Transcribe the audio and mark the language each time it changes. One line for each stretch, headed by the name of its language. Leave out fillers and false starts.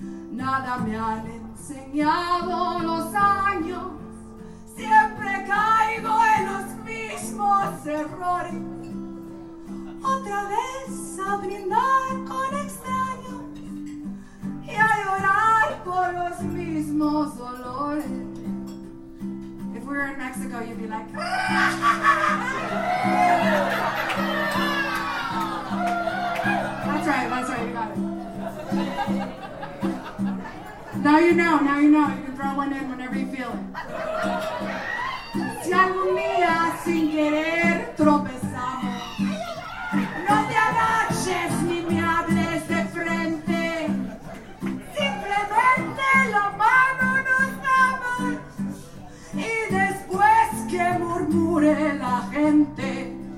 Spanish: Nada me han enseñado los años, siempre caigo en los mismos errores. Otra vez a brindar con extraños y a llorar por los mismos dolores.
English: If we were in Mexico, you'd be like, That's right, you got it. Now you know, you can throw one in whenever you feel it.
Spanish: Si algún día sin querer tropezamos, no te agaches ni me hables de frente. Simplemente la mano nos damos y después que murmure la gente.